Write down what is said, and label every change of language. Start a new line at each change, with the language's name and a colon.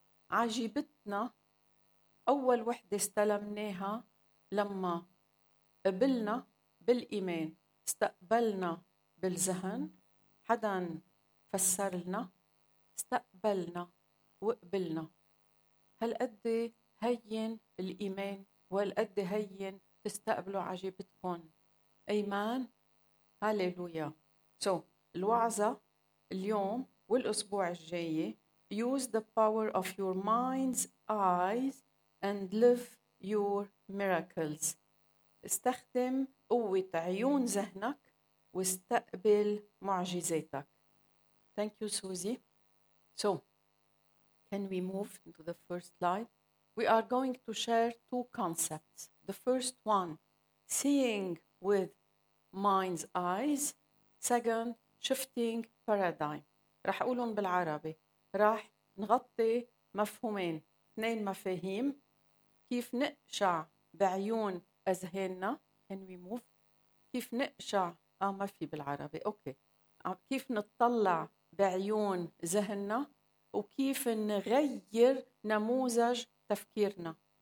Arabic: عجيبتنا أول وحدة استلمناها لما قبلنا بالإيمان، استقبلنا بالذهن، حدا فسر لنا، استقبلنا وقبلنا. هل قد هين الإيمان؟ وهل قد هين تستقبلوا عجيبتكم؟ إيمان؟ هاليلويا.
English: So,
Arabic: الوعظة اليوم والأسبوع الجاي:
English: Use the power of your mind's eyes and live your miracles.
Arabic: استخدم قوة عيون ذهنك واستقبل معجزاتك.
English: Thank you, Susie. So, can we move into the first slide? We are going to share two concepts. The first one, seeing with mind's eyes. Second, shifting paradigm.
Arabic: رح أقولهم بالعربي، رح نغطي مفهومين، اثنين مفاهيم، كيف نقشع بعيون أذهاننا.
English: Can we move؟
Arabic: كيف نقشع؟ ما في بالعربي، أوكي. كيف نتطلع بعيون ذهننا، وكيف نغير نموذج تفكيرنا.